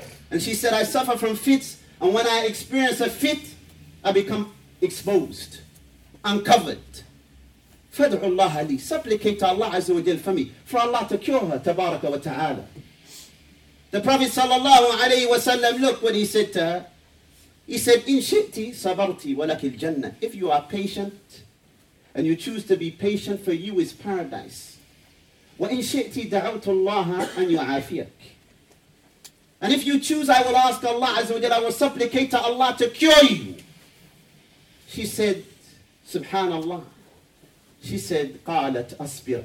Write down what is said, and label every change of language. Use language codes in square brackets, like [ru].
[en] And she said, I suffer from fits, and when I experience a fit, I become exposed, uncovered. [ar] فَدْعُ اللَّهَ لِي. [en] Supplicate Allah Azza wa Jalla for me, for Allah to cure her, tabaraka wa ta'ala. The Prophet sallallahu alayhi wa sallam, look what he said to her. He said, [ar] إِن شِئْتِ صَبَرْتِ وَلَكِ الْجَنَّةِ. [en] If you are patient, and you choose to be patient, for you is paradise. [ar] وَإِن شِئْتِ دَعَوْتُ اللَّهَ أَنْ يُعَافِيَكِ. [en] And if you choose, I will ask Allah Azza wa Jalla, I will supplicate to Allah to cure you. She said, Subhanallah. She said, [ar] Qalat asbir.